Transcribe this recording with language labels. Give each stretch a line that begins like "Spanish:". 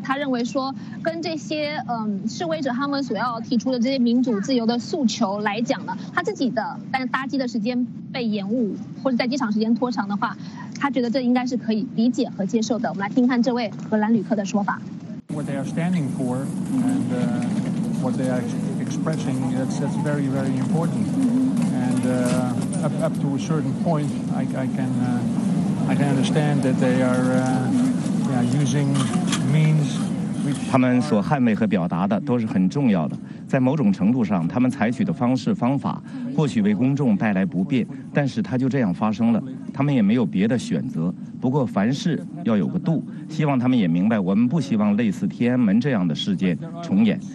Chinese: 他认为说跟这些示威者他们所要提出的这些民主自由的诉求来讲呢，他自己的但搭机的时间被延误或者在机场时间拖长的话，他觉得这应该是可以理解和接受的。我们来听看这位荷兰旅客的说法。
English: What they are standing for and what they are expressing, that's very, very important. And up to a certain point, I can understand that they are using means which
Chinese: 他们所捍卫和表达的都是很重要的。在某种程度上，他们采取的方式方法或许为公众带来不便，但是它就这样发生了，他们也没有别的选择。不过凡事要有个度，希望他们也明白，我们不希望类似天安门这样的事件重演。